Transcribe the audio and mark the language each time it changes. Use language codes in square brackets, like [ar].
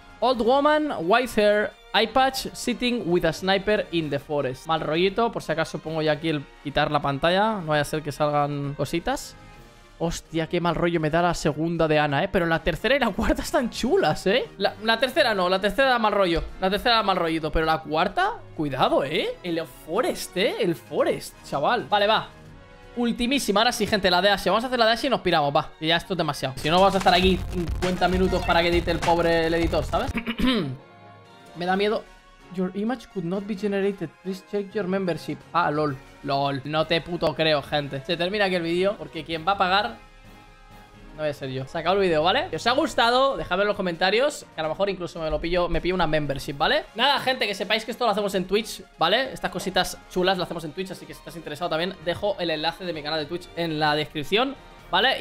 [en] Old woman, white hair, eye patch, sitting with a sniper in the forest. [es] Mal rollito, por si acaso pongo ya aquí el quitar la pantalla. No vaya a ser que salgan cositas. Hostia, qué mal rollo me da la segunda de Ana, ¿eh? Pero la tercera y la cuarta están chulas, ¿eh? La tercera no, la tercera da mal rollo. La tercera da mal rollito, pero la cuarta... Cuidado, ¿eh? El forest, ¿eh? El forest, chaval. Vale, va. Ultimísima, ahora sí, gente, la de Ashe. Vamos a hacer la de Ashe y nos piramos, va. Y ya esto es demasiado. Si no, vamos a estar aquí 50 minutos para que edite el pobre el editor, ¿sabes? Me da miedo. [en] Your image could not be generated. Please check your membership. [es] Ah, lol. Lol. No te puto creo, gente. Se termina aquí el vídeo porque quien va a pagar no voy a ser yo. Se acabó el vídeo, ¿vale? Si os ha gustado, dejadme en los comentarios. Que a lo mejor incluso me lo pillo, me pillo una membership, ¿vale? Nada, gente, que sepáis que esto lo hacemos en Twitch, ¿vale? Estas cositas chulas lo hacemos en Twitch. Así que si estás interesado también, dejo el enlace de mi canal de Twitch en la descripción, ¿vale?